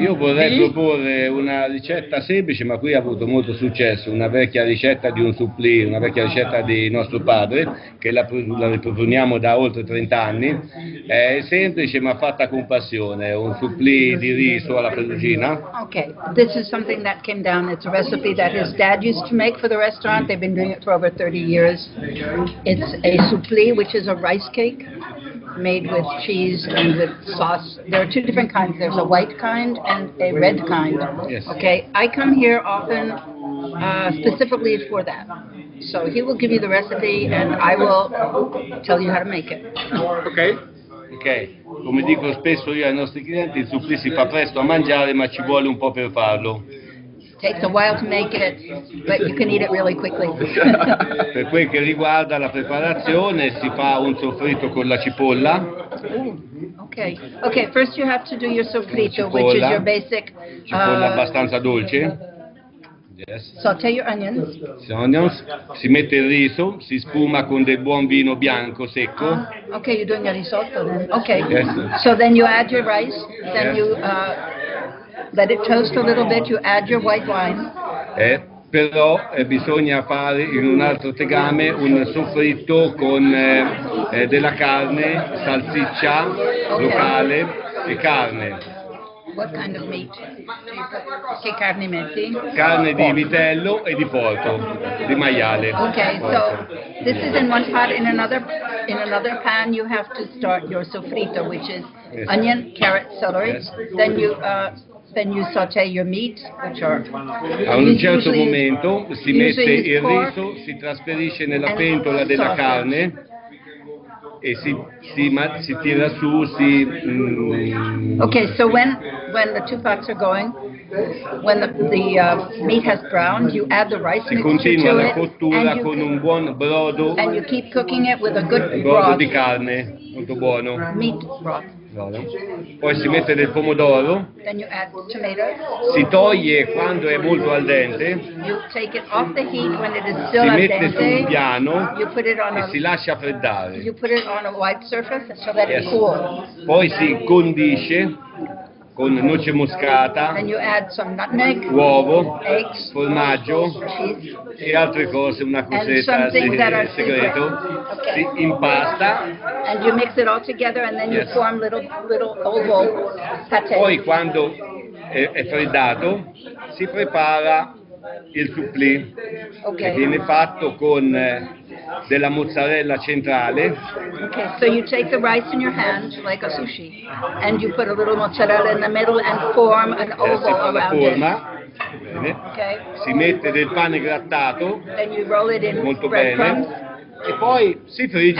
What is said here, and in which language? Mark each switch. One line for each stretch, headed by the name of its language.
Italian: Io vorrei proporre una ricetta semplice, ma qui ha avuto molto successo, una vecchia ricetta di un supplì, una vecchia ricetta di nostro padre, che la riproponiamo da oltre 30 anni. È semplice, ma fatta con passione, un supplì di riso alla perugina.
English: Okay, this is something that came down. It's a recipe that his dad used to make for the restaurant. They've been doing it for over 30 years. It's a supplì, which is a rice cake made with cheese and with sauce. There are two different kinds. There's a white kind and a red kind. Yes. Okay, I come here often specifically for that. So he will give you the recipe and I will tell you how to make it. Okay.
Italian: Okay, come dico spesso io ai nostri clienti, il supplì si fa presto a mangiare, ma ci vuole un po' per farlo.
English: Takes a while to make it, but you can eat it really quickly.
Italian: Per quel che riguarda la preparazione, si fa un soffritto con la cipolla.
English: Okay. First you have to do your soffritto, which is your basic.
Italian: Cipolla abbastanza dolce.
English: Yes. Saute your onions.
Italian: Si mette il riso, si spuma con del buon vino bianco secco.
English: Okay, you're doing a risotto then. Okay. Yes. So then you add your rice. Then yes. you let it toast a little bit, you add your white wine.
Italian: Però bisogna fare in un altro tegame un soffritto con della carne, salsiccia locale e carne.
English: What kind of meat?
Italian: Che carne metti? Carne di vitello e di porco, di maiale.
English: Okay, so this is in one pot. In another pan, you have to start your sofrito, which is onion, carrot, celery. Yes. Then you saute your meat, which are.
Italian: A un certo momento si mette il riso, si trasferisce nella pentola della carne. E si tira su, si...
English: Okay, so when the two pots are going, when the meat has browned, you add the rice mixture to it, and you keep cooking it with a good
Italian: brodo di carne, molto buono.
English: Meat broth.
Italian: Poi si mette del pomodoro,
English: then you add tomatoes.
Italian: Si toglie quando è molto al dente,
English: you take it off the heat when it is still
Italian: si mette sul piano,
English: you put it on
Italian: e si lascia freddare.
English: You put it on a white surface so that yes. It cools.
Italian: Poi si condisce con noce moscata,
English: then you add some nutmeg,
Italian: uovo,
English: eggs,
Italian: formaggio,
English: cheese,
Italian: e altre cose, una cosetta del segreto,
English: okay.
Italian: Si impasta,
English: and you mix it all together and then yes. You form little oval pate.
Italian: Poi quando è freddato si prepara il supplì,
English: okay.
Italian: Che viene fatto con della mozzarella centrale.
English: Okay, so you take the rice in your hand like a sushi and you put a little mozzarella in the middle and form an oval around it.
Italian: Si fa la forma, bene.
English: Okay.
Italian: Si mette del pane grattato,
English: then you roll it in
Italian: molto bene. E poi si frigge